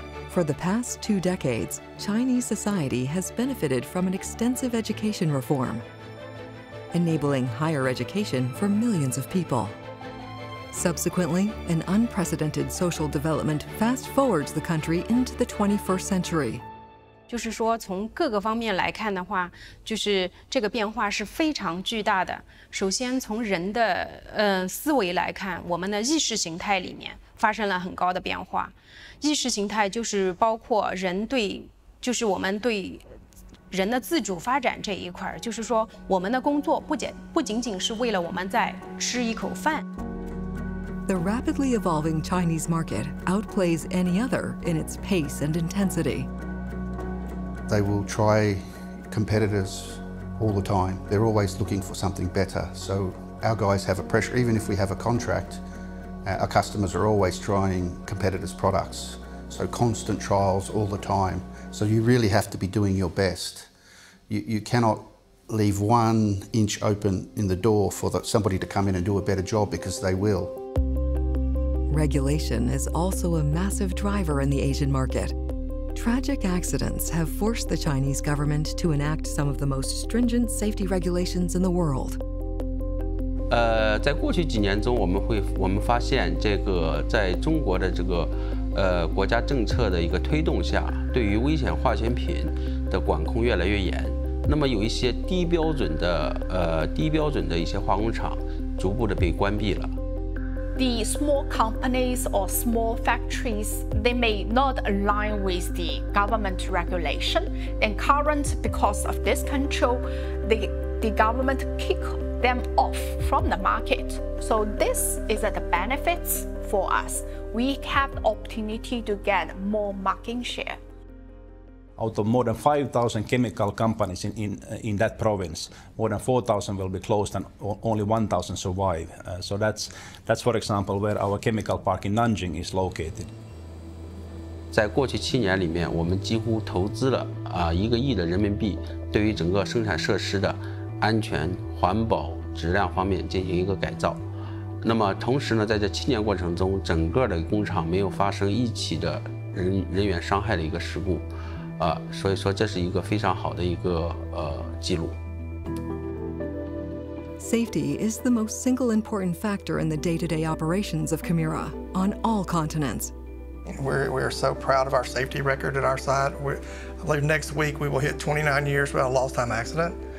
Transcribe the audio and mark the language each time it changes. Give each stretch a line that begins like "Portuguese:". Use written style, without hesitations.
English: For the past two decades, Chinese society has benefited from an extensive education reform, enabling higher education for millions of people. Subsequently, an unprecedented social development fast-forwards the country into the 21st century.
Chinese: 就是说从各个方面来看的话，就是这个变化是非常巨大的。首先从人的思维来看，我们的意识形态里面发生了很高的变化。意识形态就是包括人对，就是我们对 人的自主发展这一块，就是说我们的工作不仅仅是为了我们在吃一口饭。
English: The rapidly evolving Chinese market outplays any other in its pace and intensity. They will try competitors all the time. They're always looking for something better. So our guys have a pressure, even if we have a contract, our customers are always trying competitors' products. So constant trials all the time. So you really have to be doing your best. You cannot leave one inch open in the door for somebody to come in and do a better job, because they will. Regulation is also a massive driver in the Asian market. Tragic accidents have forced the Chinese government to enact some of the most stringent safety regulations in the world.
Chinese: 在过去几年中，我们发现这个在中国的这个国家政策的一个推动下，对于危险化学品的管控越来越严。那么有一些低标准的一些化工厂，逐步的被关闭了。
English: The small companies or small factories, they may not align with the government regulation. And current, because of this control, the government kick them off from the market. So this is the benefits for us. We have the opportunity to get more market share. Out of more than 5,000 chemical companies in that province, more than 4,000 will be closed and only 1,000 survive. So that's for example where our chemical park in Nanjing is located.
Chinese: 在过去七年里面，我们几乎投资了1亿人民币，对于整个生产设施的安全、环保、质量方面进行一个改造。那么同时呢，在这七年过程中，整个的工厂没有发生一起的人员伤害的一个事故。
English: Safety is the most single important factor in the day-to-day operations of Kemira on all continents. We are so proud of our safety record at our site. I believe next week we will hit 29 years without a lost time accident.